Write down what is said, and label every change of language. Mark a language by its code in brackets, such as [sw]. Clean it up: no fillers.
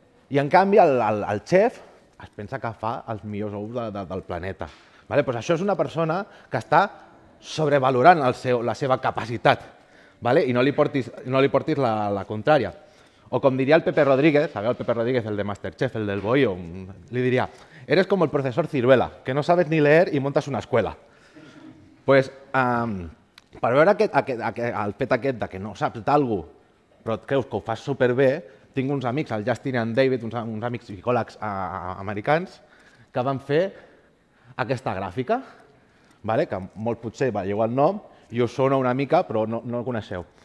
[ca] I en canvi el xef es pensa que fa els millors ous del planeta. Vale? Pues això és una persona que està sobrevalorant la seva capacitat. Vale? I no li portis la contrària. O com diria el Pepe Rodríguez, sabeu el Pepe Rodríguez, el de Masterchef, el del Boío, li diria, [es] eres com el professor Ciruela, que no sabes ni leer i montes una escuela. [ca] Pues, per veure aquest fet de que no saps d'algú, però creus que ho fas superbé, tinc uns amics, el Justin i en David, uns amics psicòlegs americans, que van fer aquesta gràfica, vale? Que molt potser veieu el nom, i us sona una mica, però no el coneixeu.